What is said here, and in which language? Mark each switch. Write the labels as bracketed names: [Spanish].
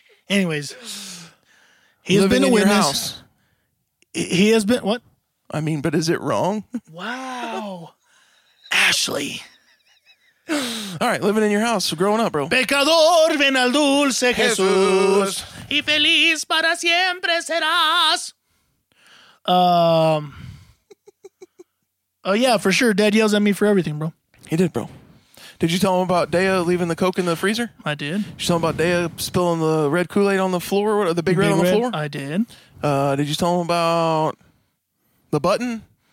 [English] Anyways. He has been a witness. In your house. He has been, what? I mean, but is it wrong? Wow. Ashley. All right, living in your house, growing up, bro. [Spanish] Pecador, ven al dulce Jesús. Y feliz para siempre serás. [English] Oh, yeah, for sure. Dad yells at me for everything, bro. He did, bro. Did you tell him about Dea leaving the Coke in the freezer? I did. Did you tell him about Dea spilling the red Kool-Aid on the floor, floor? I did. Did you tell him about the button?